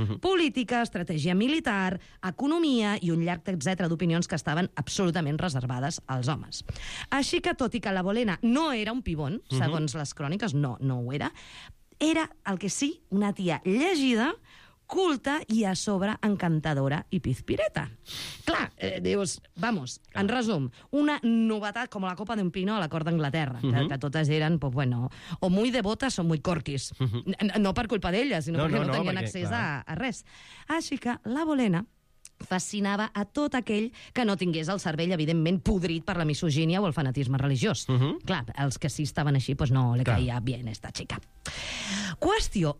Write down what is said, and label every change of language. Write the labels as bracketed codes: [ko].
[ca] Política, estratègia militar, economia i un llarg etcètera d'opinions que estaven absolutament reservades als homes. Així que, tot i que la Bolena no era un pibon, segons les cròniques, no ho era, era el que sí una tia llegida, culta i, a sobre, encantadora i pizpireta. Clar, dius, vamos, clar. En resum, una novetat com la copa d'un pino a la cort d'Anglaterra, que totes eren, pues bueno, [es] o muy devotas o muy corquis. [ca] No per culpa d'elles, sinó perquè no tenien accés a res. Així que la Bolena fascinava a tot aquell que no tingués el cervell, evidentment, podrit per la misogínia o el fanatisme religiós. Clar, els que sí estaven així, [es] pues no le caía bien esta chica. [ca] Qüestió.